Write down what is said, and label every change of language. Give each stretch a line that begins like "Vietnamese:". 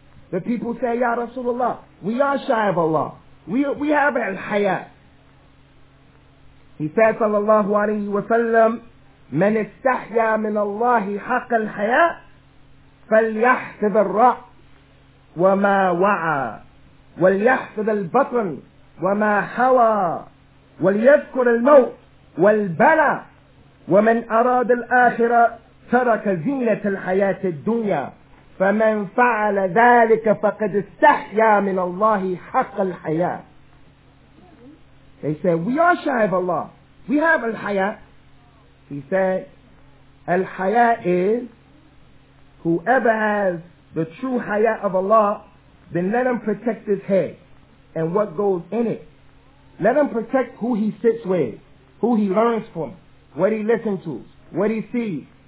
English: The people say, Ya Rasulullah, we are shy of Allah. We have al-hayat.
Arabic: He said, sallallahu alayhi wa sallam, من استحيا من الله حق الحياة فليحفظ الرأس وما وعى وليحفظ البطن وما حوى وليذكر الموت والبلى ومن أراد الآخرة ترك زينة الحياة الدنيا فمن فعل ذلك فقد استحيا من الله حق الحياة
English: They said, we are shy of Allah. We have al-hayat. He said, al-hayat is whoever has the true hayat of Allah, then let him protect his head and what goes in it. Let him protect who he sits with, who he learns from, what he listens to, what he sees.